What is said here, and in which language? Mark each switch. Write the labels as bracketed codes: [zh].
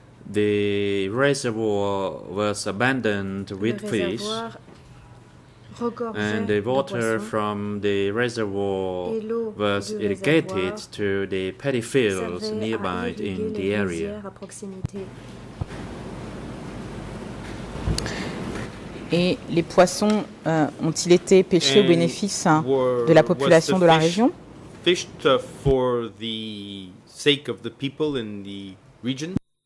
[en] the reservoir was abandoned with fish, and the water from the reservoir was irrigated to the paddy fields nearby in the area. [fr] Et les poissons ont-ils été pêchés au bénéfice de la population de la région? [en] Fished for the sake of the people in the region?